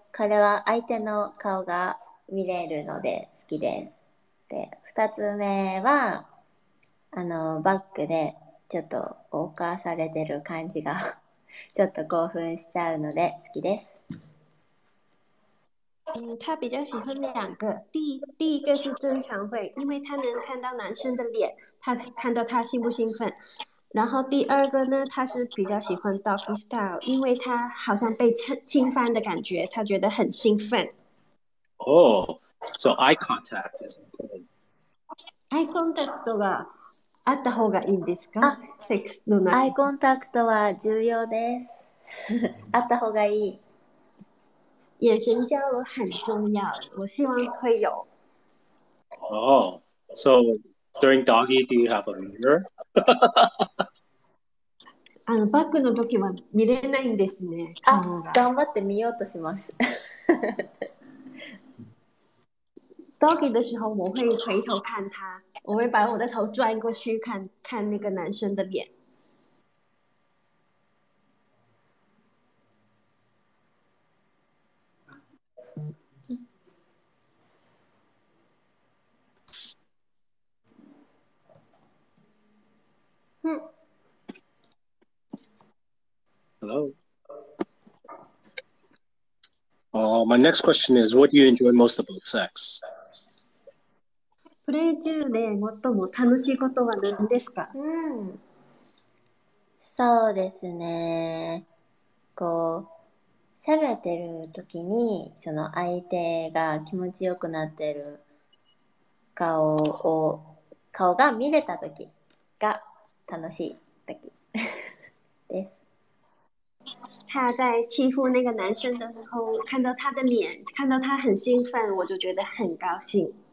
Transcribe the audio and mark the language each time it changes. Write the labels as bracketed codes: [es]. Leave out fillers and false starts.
[ja] これは相手の顔が見れるので好きです。で、2つ目は、あの、バックで、ちょっと謳歌されてる感じがちょっと興奮しちゃうので好きです。 [zh] 嗯，他比较喜欢两个。第一个是正常会，因为他能看到男生的脸，他看到他兴不兴奋。然后第二个呢，他是比较喜欢 doggy style， 因为他好像被侵犯的感觉，他觉得很兴奋。 [en] Oh, so eye contact is important. Eye contact [ja] はあった方がいいんですか？セックスの中アイコンタクトは重要です。あった方がいい。 [zh] 眼神交流很重要。我希望会有。 [en] Oh, so during doggy, do you have a mirror? [ja] あのバックの時は見れないんですね。あ、頑張って見ようとします。 [zh] doggy 的时候我会回头看他。我会把我的头转过去看看那个男生的脸。 [en] Hello. My next question is, what do you enjoy most about sex? [ja] プレイ中で最も楽しいことは何ですか？そうですね。こう、攻めてる時に、その相手が気持ちよくなってる顔が見れた時が楽しい時です。 [zh] 他在欺负那个男生的时候、看到他的脸、看到他很兴奋、我就觉得很高兴。